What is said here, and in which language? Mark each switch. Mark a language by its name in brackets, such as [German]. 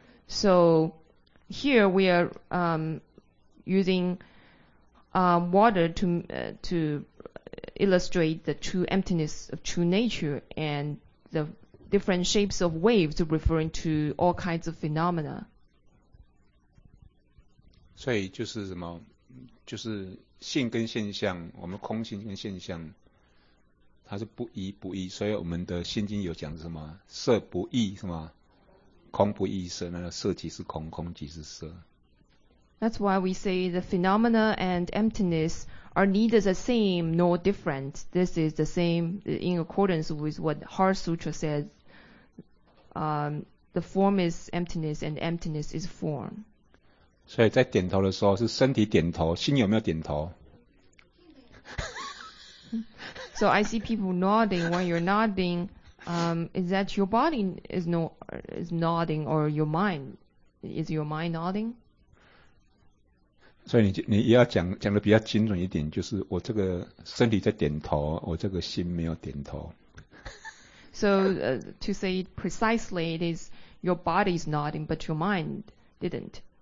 [English] So here we are using water to illustrate the true emptiness of true nature and the different shapes of waves referring to all kinds of phenomena. [Chinese] 所以就是什么，就是性跟现象，我们空性跟现象，它是不一不异。所以我们的心经有讲什么，色不异是吗？空不异色，那色即是空，空即是色。 [English] That's why we say the phenomena and emptiness are neither the same nor different. This is the same in accordance with what Heart Sutra says. The form is emptiness and emptiness is form. [Chinese] 所以在点头的时候是身体点头，心有没有点头？ [English] So I see people nodding. When you're nodding, is that your body is nodding or your mind? Is your mind nodding? [Chinese] 所以 你要讲的比较精准一点，就是我这个身体在点头，我这个心没有点头。 [English] So to say it precisely, it is your body is nodding, but your mind didn't.